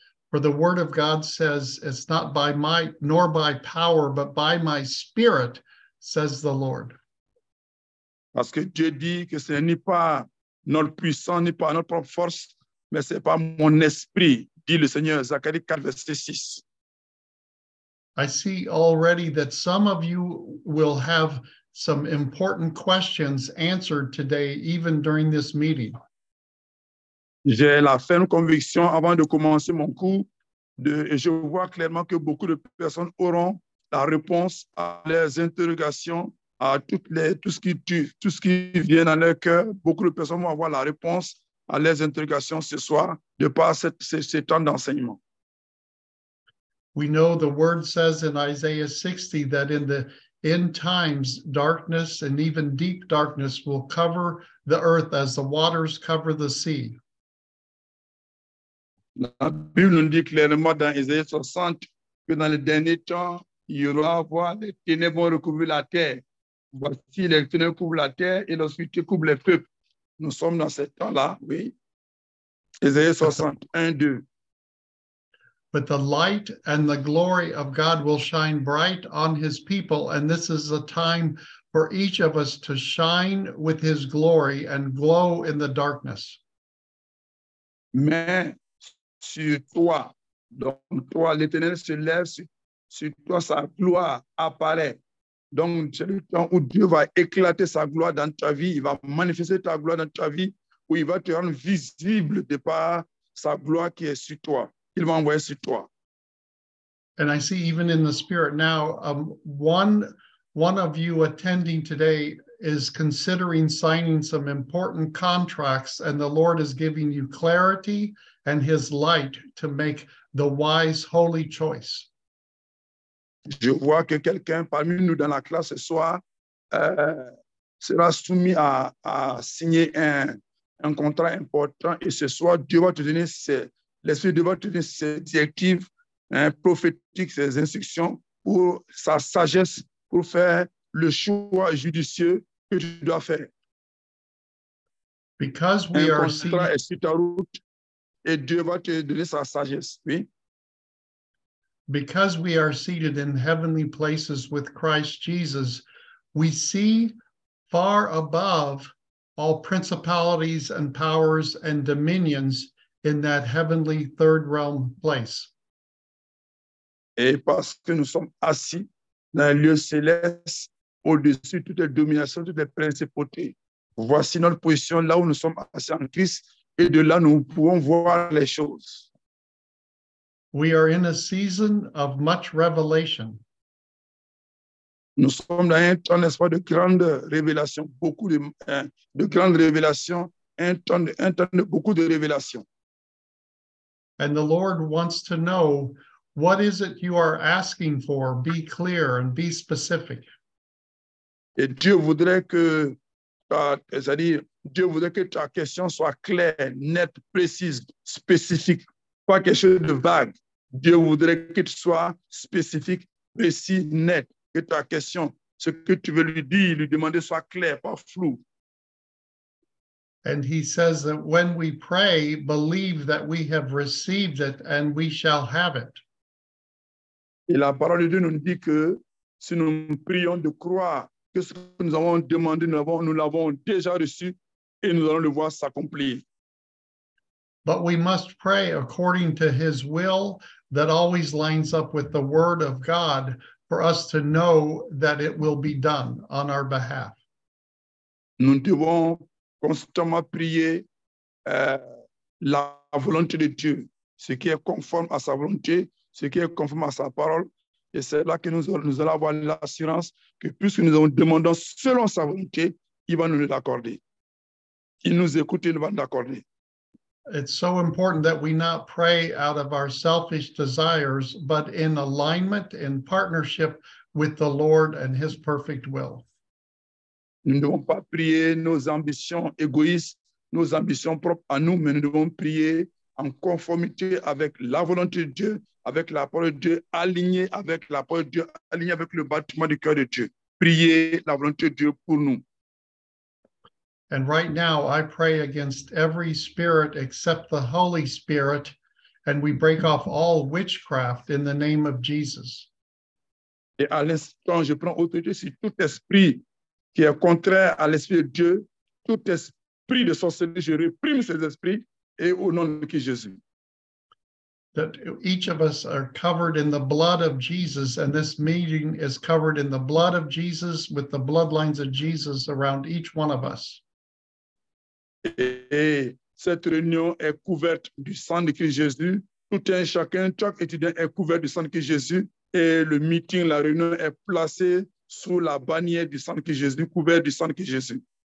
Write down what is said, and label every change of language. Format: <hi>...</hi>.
<en>For the word of God says, it's not by might nor by power, but by my spirit, says the Lord.</en> <fr>Parce que Dieu dit que ce n'est ni par notre puissance, ni par notre propre force, mais c'est par mon esprit, dit le Seigneur, Zacharie 4, verset 6.</fr> <en>I see already that some of you will have some important questions answered today, even during this meeting.</en> <fr>J'ai la ferme conviction avant de commencer mon cours, et je vois clairement que beaucoup de personnes auront la réponse à leurs interrogations, à tout ce qui vient dans leur cœur. Beaucoup de personnes vont avoir la réponse à leurs interrogations ce soir, de par ce temps d'enseignement.</fr> <en>We know the word says in Isaiah 60 that in the end times, darkness and even deep darkness will cover the earth as the waters cover the sea.</en> <fr>La Bible nous dit clairement dans Isaïe 60 que dans les derniers temps, il y aura voir les ténèbres vont recouvrir la terre. Voici les ténèbres couvrent la terre et l'obscurité couvre les peuples. Nous sommes dans ce temps-là, oui. Isaïe 60, 1, 2.</fr> <en>But the light and the glory of God will shine bright on his people, and this is a time for each of us to shine with his glory and glow in the darkness.</en> <fr>Mais sur toi, donc toi, l'Éternel se lève, sur toi sa gloire apparaît. Donc c'est le temps où Dieu va éclater sa gloire dans ta vie, il va manifester ta gloire dans ta vie, où il va te rendre visible de par sa gloire qui est sur toi. Il va envoyer sur toi.</fr> <en>And I see even in the spirit now, one of you attending today is considering signing some important contracts, and the Lord is giving you clarity and his light to make the wise, holy choice.</en> <fr>Je vois que quelqu'un parmi nous dans la classe ce soir sera soumis à signer un contrat important, et ce soir, Dieu va te donner ses directives prophétiques, ses instructions pour sa sagesse pour faire le choix judicieux que tu dois faire.</fr> <en>Because we are</en> <fr>contrat est sur ta route. Et Dieu va te donner sa sagesse, oui?</fr> <en>Because we are seated in heavenly places with Christ Jesus, we see far above all principalities and powers and dominions in that heavenly third realm place.</en> <fr>Et parce que nous sommes assis dans un lieu céleste au-dessus de toutes les dominations, toutes les principautés. Voici notre position là où nous sommes assis en Christ. Et de là, nous pouvons voir les choses.</fr> <en>We are in a season of much revelation.</en> <fr>Nous sommes dans un temps, n'est-ce pas, de grande révélation, beaucoup de grandes révélations, un temps de beaucoup de révélations.</fr> <en>And the Lord wants to know, what is it you are asking for? Be clear and be specific.</en> <fr>Et Dieu voudrait que, c'est-à-dire, Dieu voudrait que ta question soit claire, nette, précise, spécifique, pas quelque chose de vague. Dieu voudrait que tu sois spécifique, précis, net, que ta question, ce que tu veux lui dire, lui demander, soit clair, pas flou.</fr> <en>And he says that when we pray, believe that we have received it and we shall have it.</en> <fr>Et la parole de Dieu nous dit que si nous prions de croire que ce que nous avons demandé, nous l'avons déjà reçu et nous allons le voir s'accomplir.</fr> <en>But we must pray according to his will that always lines up with the word of God for us to know that it will be done on our behalf.</en> <fr>Nous devons constamment prier la volonté de Dieu, ce qui est conforme à sa volonté, ce qui est conforme à sa parole, et c'est là que nous allons avoir l'assurance que puisque nous avons demandé selon sa volonté, il va nous l'accorder. Il nous écoute et il va nous l'accorder.</fr> <en>It's so important that we not pray out of our selfish desires, but in alignment, in partnership with the Lord and his perfect will.</en> <fr>Nous ne devons pas prier nos ambitions égoïstes, nos ambitions propres à nous, mais nous devons prier en conformité avec la volonté de Dieu, avec la parole de Dieu, alignée avec la parole de Dieu, alignée avec le battement du cœur de Dieu. Prier la volonté de Dieu pour nous.</fr> <en>And right now, I pray against every spirit except the Holy Spirit, and we break off all witchcraft in the name of Jesus.</en> <fr>Et à l'instant, je prends autorité sur tout esprit qui est contraire à l'Esprit de Dieu, tout esprit de sorcellerie, je réprime ces esprits et au nom de qui Jésus.</fr> <en>That each of us are covered in the blood of Jesus, and this meeting is covered in the blood of Jesus with the bloodlines of Jesus around each one of us.</en> <fr>Et cette réunion est couverte du sang de Christ Jésus. Tout un chacun, chaque étudiant est couvert du sang de Christ Jésus. Et le meeting, la réunion est placée sous la bannière du sang de Christ Jésus, couvert du sang de Christ Jésus.</fr>